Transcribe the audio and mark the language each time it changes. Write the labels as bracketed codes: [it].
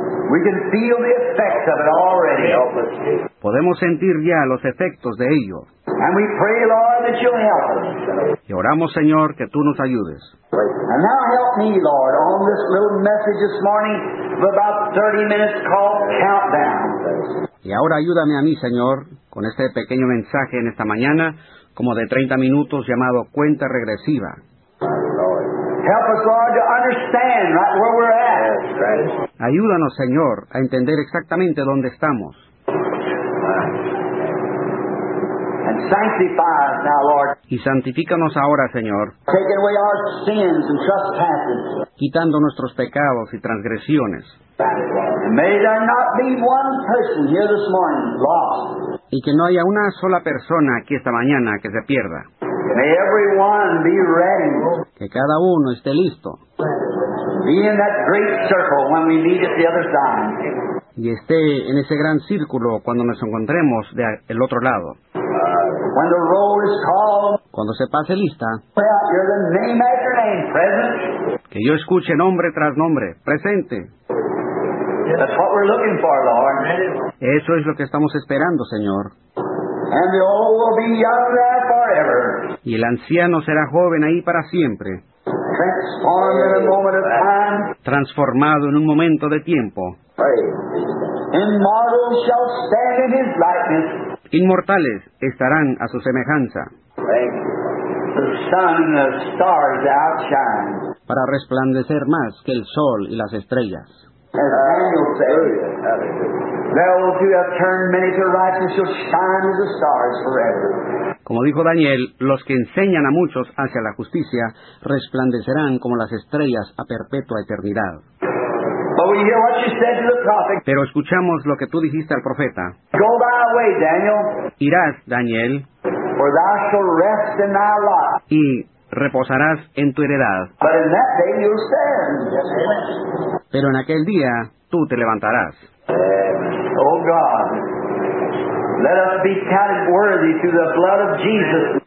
[en] We can feel the effects of it already. [es] Podemos sentir ya los efectos de ello. [en] And we pray, Lord, that you'll help us. [es] Y oramos, Señor, que tú nos ayudes. [en] And now help me, Lord, on this little message this morning of about 30 minutes called Countdown. [es] Y ahora ayúdame a mí, Señor, con este pequeño mensaje en esta mañana como de 30 minutos llamado cuenta regresiva. [en] Help us, Lord, to understand right where we're at. [es] Ayúdanos, Señor, a entender exactamente dónde estamos. [en] And sanctify us now, Lord. [es] Y santifícanos ahora, Señor. [en] Taking away our sins and trespasses. [es] Quitando nuestros pecados y transgresiones. [en] May there not be one person here this morning lost. [es] Y que no haya una sola persona aquí esta mañana que se pierda. [en] May everyone be ready. [es] Que cada uno esté listo. [en] Be in that great circle when we meet at the other side. [es] Y esté en ese gran círculo cuando nos encontremos de el otro lado. [en] When the roll is called. [es] Cuando se pase lista. [en] Well, you're the name after name, present. [es] Que yo escuche nombre tras nombre, presente. [en] That's what we're looking for, Lord. [es] Eso es lo que estamos esperando, Señor. [en] And the old will be young there forever. [es] Y el anciano será joven ahí para siempre. [en] Transformed in a moment of time. [es] Transformado en un momento de tiempo. [en] Immortal shall stand in his likeness. [es] Inmortales estarán a su semejanza. [en] The sun and the stars outshine. [es] Para resplandecer más que el sol y las estrellas. [en] As Daniel said, those who have turned many to righteousness shall shine as the stars forever. [es] Como dijo Daniel, los que enseñan a muchos hacia la justicia resplandecerán como las estrellas a perpetua eternidad. [en] But we hear what you said to the prophet. [es] Pero escuchamos lo que tú dijiste al profeta. [en] Go thy way, Daniel. [es] Irás, Daniel. [en] For thou shalt rest in thy lot. [es] Y reposarás en tu heredad. [en] But in that day you'll stand. [es] Pero en aquel día tú te levantarás. [en] Oh God, let us be counted worthy through the blood of Jesus.